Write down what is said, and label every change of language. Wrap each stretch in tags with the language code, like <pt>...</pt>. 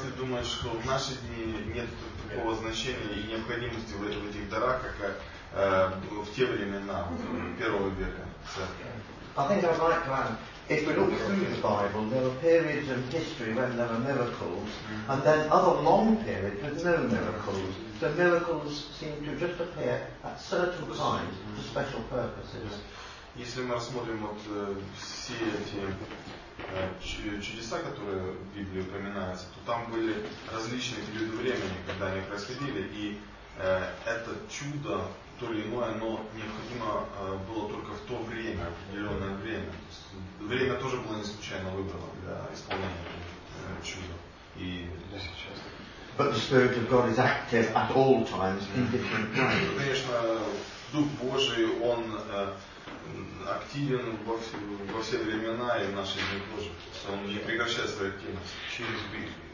<ru>Ты думаешь, что в наши дни нет значения и необходимости в этих дарах, как в те времена первого века?</ru> <en>I think I'd like to add, if we look through the Bible, there were periods in history when there were miracles, and then other long periods with no miracles. The miracles seem to just appear at certain times for special purposes.</en> <ru>Если мы рассмотрим вот все эти чудеса, которые в Библии упоминаются, то там были различные периоды времени, когда они происходили, и это чудо, то или иное, оно необходимо было только в то время, определенное время. То есть, время тоже было не случайно выбрано для исполнения чуда. И для сейчас.</ru> <en>But the Spirit of God is active at all times in different ways.</en> <ru>Конечно, Дух Божий, он активен во все времена и в наши дни тоже. Он не прекращает свою активность через Библию.</ru>